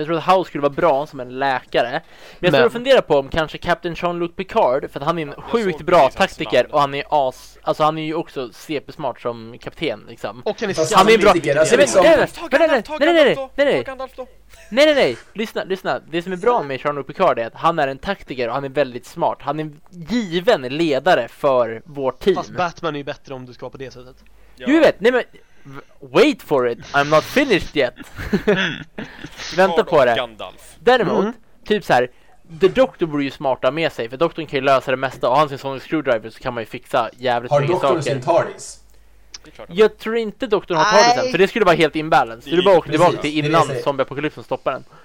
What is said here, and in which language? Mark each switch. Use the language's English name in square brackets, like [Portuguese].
[Swedish] Jag tror att House skulle vara bra som en läkare. Men jag skulle fundera på om kanske Captain Jean-Luc Picard, för att han är en sjukt bra taktiker och han är as, alltså han är ju också CP smart som kapten liksom. Och kan ni han är bra. Nej, lyssna. Det som är bra med Jean-Luc Picard är att han är en taktiker och han är väldigt smart. Han är given ledare för vårt team. Fast Batman är ju bättre om du ska vara på det sättet. Jo, jag vet. Nej, men [English] wait for it, I'm not finished yet. [Swedish] Vänta på det. Däremot, typ såhär, The Doctor borde ju smarta med sig, för doktorn kan ju lösa det mesta. Och han sin sonic screwdriver så kan man ju fixa jävligt mycket saker. Har doktorn sin TARDIS? Jag tror inte doktorn har TARDISen, för det skulle vara helt imbalance. Du bara åker tillbaka till innan zombieapokalypsen stoppar den.